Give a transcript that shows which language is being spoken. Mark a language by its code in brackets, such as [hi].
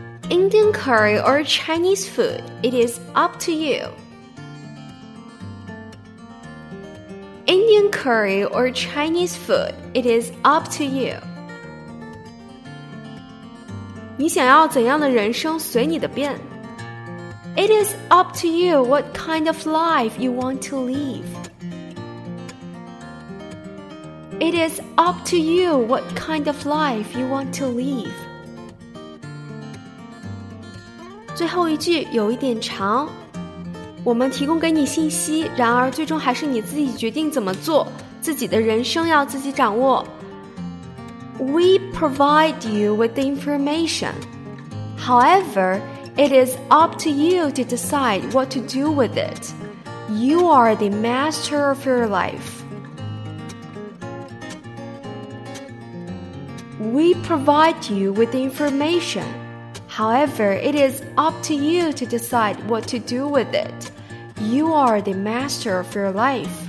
[en] Indian curry or Chinese food, it is up to you. Indian curry or Chinese food, it is up to you. [zh] 你想要怎样的人生随你的便。 [en] It is up to you what kind of life you want to live. It is up to you what kind of life you want to live. [zh] 最后一句有一点长。我们提供给你信息，然而最终还是你自己决定怎么做，自己的人生要自己掌握。 [en] We provide you with the information. However, it is up to you to decide what to do with it. You are the master of your life. We provide you with the information. However, it is up to you to decide what to do with itYou are the master of your life.